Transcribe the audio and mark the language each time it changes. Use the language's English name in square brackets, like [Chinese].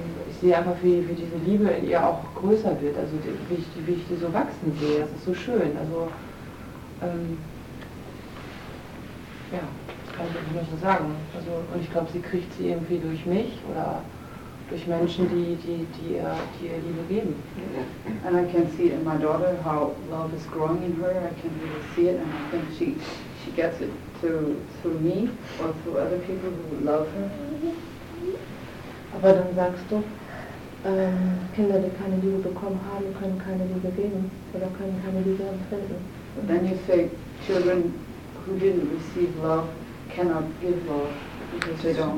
[German] Ich sehe einfach, wie diese Liebe in ihr auch größer wird, also wie ich die so wachsen sehe. Das ist so schön. Also ja, das kann ich nur so sagen. Also, und ich glaube, sie kriegt sie irgendwie durch mich oder durch Menschen, die ihr Liebe geben. [English] And I can see it in my daughter, how love is growing in her. I can really see it, and I think she gets it through me or through other people who love her. [German] Aber dann sagst du, Kinder, die keine Liebe bekommen haben, können keine Liebe geben oder können keine Liebe empfinden. [English] But then you say, children who didn't receive love cannot give love because they don't.